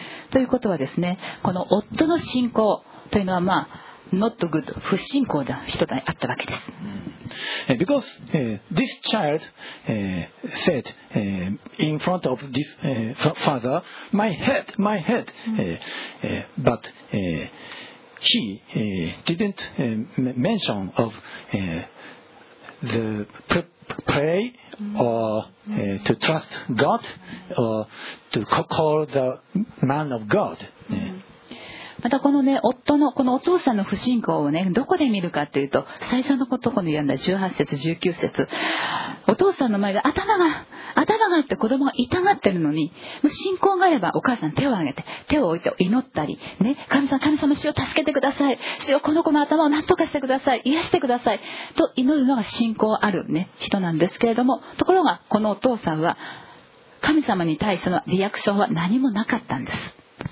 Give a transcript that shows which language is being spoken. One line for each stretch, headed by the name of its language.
Japanese: ということはですね、この夫の信仰というのは、まあ、
English: not good、
Japanese: 不信仰な人であったわけです。
English: Because this child said in front of this father, my head, but he didn't mention of the pray or to trust God or to call the man of God。
Japanese: またこのね、夫のこのお父さんの不信仰をね、どこで見るかというと、最初のことこの読んだ18節19節、お父さんの前で頭があって子供が痛がってるのに、信仰があればお母さん手を挙げて手を置いて祈ったりね、神様、神様、主を助けてください、主をこの子の頭を何とかしてください、癒してくださいと祈るのが信仰あるね人なんですけれども、ところがこのお父さんは神様に対してのリアクションは何もなかったんです。